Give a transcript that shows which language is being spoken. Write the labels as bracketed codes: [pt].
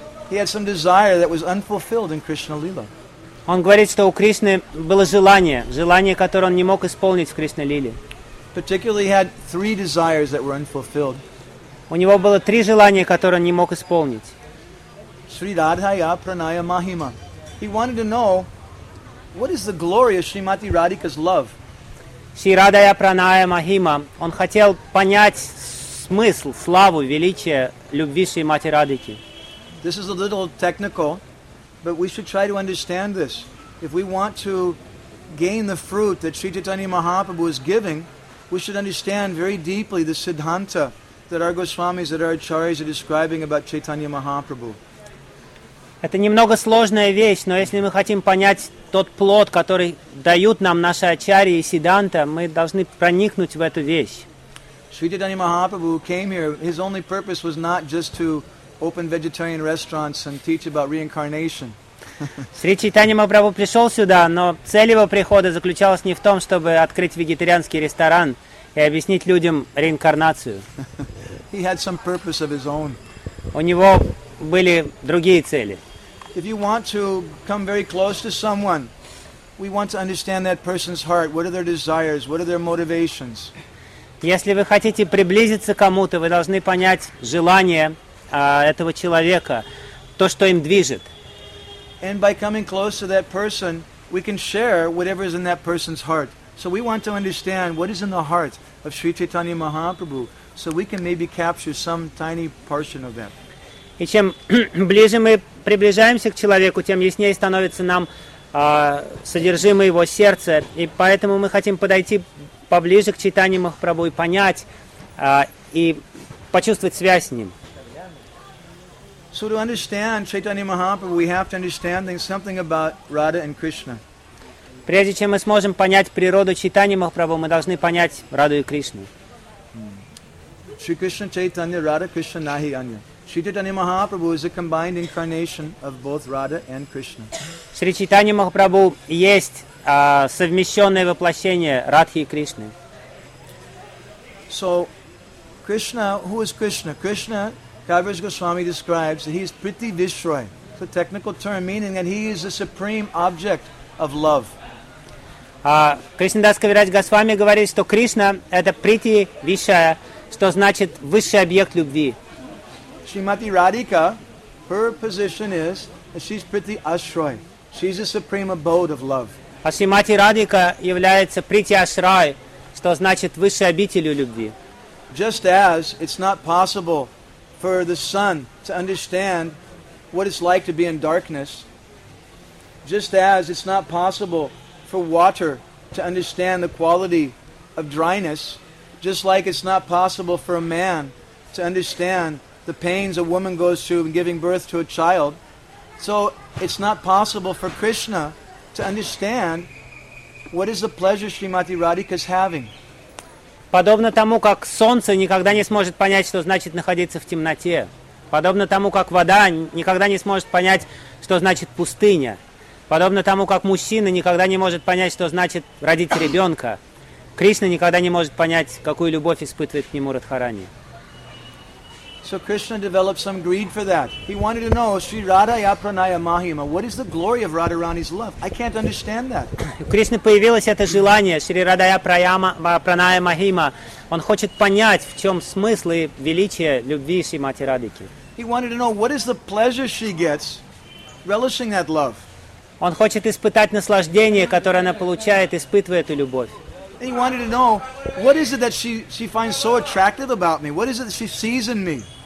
[en] He had some desire that was unfulfilled in Krishna Lila. [ru] Он говорит, что у Кришны было желание, желание, которое он не мог исполнить в Кришна Лиле. [en] Particularly had three desires that were unfulfilled. [ru] У него было три желания, которые он не мог исполнить. [sa] Sri Radhaya Pranaya Mahima. [en] He wanted to know what is the glory of Srimati Radhika's love. [sa] Sri Radhaya Pranaya Mahima. [ru] Он хотел понять смысл, славу, величие любви Шримати Радхики. [en] This is a little technical, but we should try to understand this. If we want to gain the fruit that Sri Chaitanya Mahaprabhu is giving, we should understand very deeply the Siddhanta that our Goswamis, that our Acharyas are describing about Chaitanya Mahaprabhu. [ru] Это немного сложная вещь, но если мы хотим понять тот плод, который дают нам наши Ачарьи и Сиддханта, мы должны проникнуть в эту вещь. [en] Sri Chaitanya Mahaprabhu came here, his only purpose was not just to open vegetarian restaurants and teach about reincarnation. [ru] Sri Chaitanya Mahaprabhu пришел сюда, но цель его прихода заключалась не в том, чтобы открыть вегетарианский ресторан и объяснить людям реинкарнацию. [en] He had some purpose of his own. [ru] У него были другие цели. [en] If you want to come very close to someone, we want to understand that person's heart. What are their desires? What are their motivations? [ru] Если вы хотите приблизиться к кому-то, вы должны понять желание этого человека, то, что им движет. [en] And by coming close to that person, we can share whatever is in that person's heart. So we want to understand what is in the heart of Sri Chaitanya Mahaprabhu, so we can maybe capture some tiny portion of that. [ru] И чем ближе мы приближаемся к человеку, тем яснее становится нам содержимое его сердца. И поэтому мы хотим подойти поближе к Чайтанье Махапрабху и понять и почувствовать связь с ним. [en] So to understand Chaitanya Mahaprabhu, we have to understand something about Radha and Krishna. [ru] Прежде чем мы сможем понять природу Чайтанья Махапрабху, мы должны понять Раду и Кришну. [bn] Shri Krishna Chaitanya Radha Krishna Nahi Anya. [en] Shri Chaitanya Mahaprabhu is a combined incarnation of both Radha and Krishna. [ru] Shri Chaitanya Mahaprabhu есть совмещенное воплощение Радхи и Кришны. [en] So, Krishna, who is Krishna? Krishna, Kaviraj Goswami describes that he is Priti Vishroy. It's a technical term meaning that he is the supreme object of love. [ru] Кришнадас Кавирадж Госвами говорит, что Кришна – это Прити Вишая, что значит высший объект любви. [en] Шримати Радика, her position is that she's Priti Ashray. She's the supreme abode of love. [ru] А Шримати Радика является Прити Ашрай, что значит высшей обителью любви. [en] Just as it's not possible for the sun to understand what it's like to be in darkness, just as it's not possible for water to understand the quality of dryness, just like it's not possible for a man to understand the pains a woman goes through in giving birth to a child, so it's not possible for Krishna to understand what is the pleasure Srimati Radhika is having. [ru] Подобно тому, как солнце никогда не сможет понять, что значит находиться в темноте, подобно тому, как вода никогда не сможет понять, что значит пустыня, подобно тому, как мужчина никогда не может понять, что значит родить ребенка, Кришна никогда не может понять, какую любовь испытывает к нему Радхарани. [en] So Krishna developed some greed for that. He wanted to know Sri Radhaya Pranaya Mahima. What is the glory of Radharani's love? I can't understand that. [ru] У Кришны появилось это желание [sa] Sri Radhaya Pranaya Mahima. [ru] Он хочет понять, в чем смысл и величие любви Шримати Радхики. [en] He wanted to know what is the pleasure she gets relishing that love. [ru] Он хочет испытать наслаждение, которое она получает, испытывая эту любовь. [en] And he wanted to know, what is it that she finds so attractive about me? What is it that she sees in me?